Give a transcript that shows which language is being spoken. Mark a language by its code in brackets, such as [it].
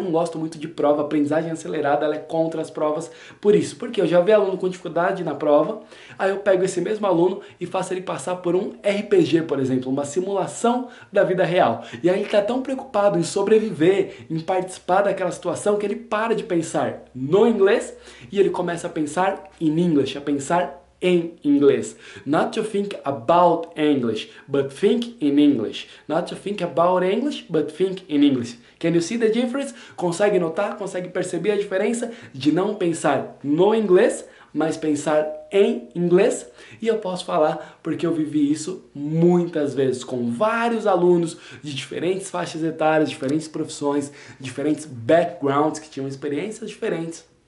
[pt] Não gosto muito de prova, aprendizagem acelerada, ela é contra as provas, por isso, porque eu já vi aluno com dificuldade na prova, aí eu pego esse mesmo aluno e faço ele passar por um RPG, por exemplo, uma simulação da vida real. E aí ele está tão preocupado em sobreviver, em participar daquela situação, que ele para de pensar no inglês e ele começa a pensar em inglês, a pensar em inglês. [en] Not to think about English, but think in English. Not to think about English, but think in English. Can you see the difference? [pt] Consegue notar? Consegue perceber a diferença de não pensar no inglês, mas pensar em inglês? E eu posso falar porque eu vivi isso muitas vezes com vários alunos de diferentes faixas etárias, diferentes profissões, diferentes backgrounds que tinham experiências diferentes.